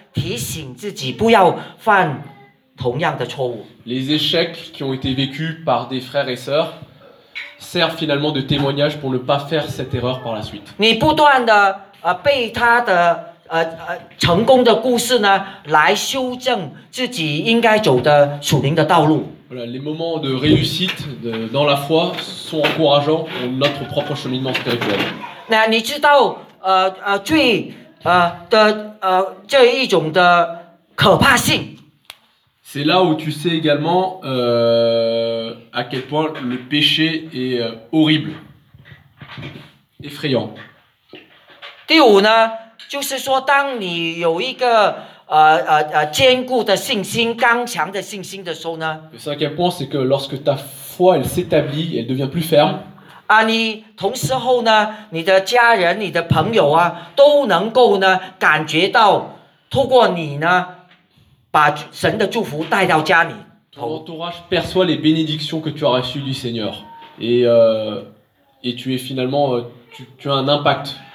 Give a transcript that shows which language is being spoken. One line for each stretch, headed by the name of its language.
Chinese: 提醒自己不要犯同样的错误。
French: Les échecs qui ont été vécus par des frères et sœurs servent finalement de témoignage pour ne pas faire cette erreur par la suite.
Chinese: 你不断的被他的成功的故事呢来修正自己应该走的属灵的道路。
French: Voilà, les moments de réussite dans la foi sont encourageants pour notre propre cheminement spirituel.
Chinese: 那你知道，罪的这一种的可怕性。
French: C'est là où tu sais également à quel point le péché est horrible, effrayant.
Chinese: 第五呢，就是说，当你有一个坚固的信心、刚强的信心的时候呢。
French: Le cinquième point, c'est que lorsque ta foi elle s'établit, elle devient plus ferme.
Chinese: 啊，你同时候呢，你的家人、你的朋友啊，都能够呢感觉到，透过你呢。
French: Ton entourage perçoit les bénédictions que tu as reçues du Seigneur et tu es finalement tu as un impact.